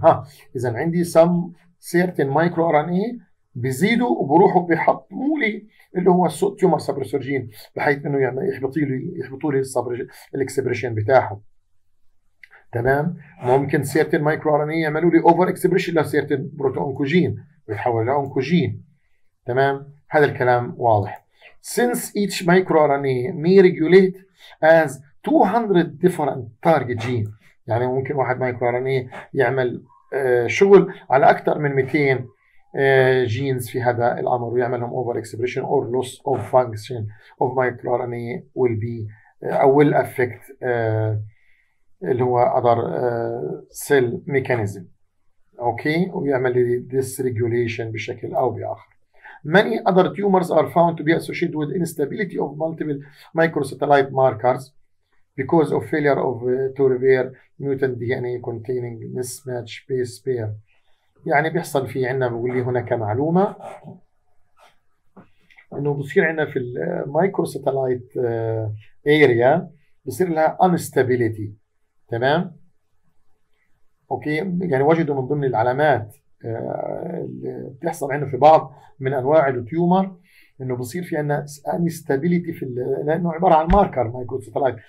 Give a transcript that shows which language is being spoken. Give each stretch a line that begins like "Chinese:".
Arabic: ها اذا عندي سم سيرتن مايكرو ار ان اي بيزيدوا وبروحوا بيحطوا لي اللي هو تيومر سبريسور جين بحيث انه يعني يحبطوا لي الاكسبريشن بتاعهم. تمام، ممكن سيرتن مايكرو ار ان اي يعملوا لي اوفر اكسبريشن لسيرتن بروتو اونكوجين ويتحول لاونكوجين. تمام، هذا الكلام واضح.
English: Since each microRNA may regulate as 200 different target gene،
Arabic: يعني ممكن واحد microRNA يعمل شغل على أكثر من 200 genes في هذا الأمر ويعملهم
English: over expression or loss of function of microRNA will be أو will affect
Arabic: اللي هو
English: other cell mechanism.
Arabic: أوكي، ويعمل
English: this regulation
Arabic: بشكل أو بآخر.
English: Many other tumors are found to be associated with instability of multiple microsatellite markers because of failure of to repair mutant DNA containing mismatch base pair.
Arabic: يعني بيحصل في عنا بقول لي هناك معلومة إنه بصير عنا في microsatellite area بصير لها instability. تمام؟ أوكي، يعني وجدوا من ضمن العلامات اللي بتحصل عنده في بعض من انواع التيومر انه بصير في عندنا انستابيليتي في، لانه عباره عن ماركر مايكرو ساتلايت.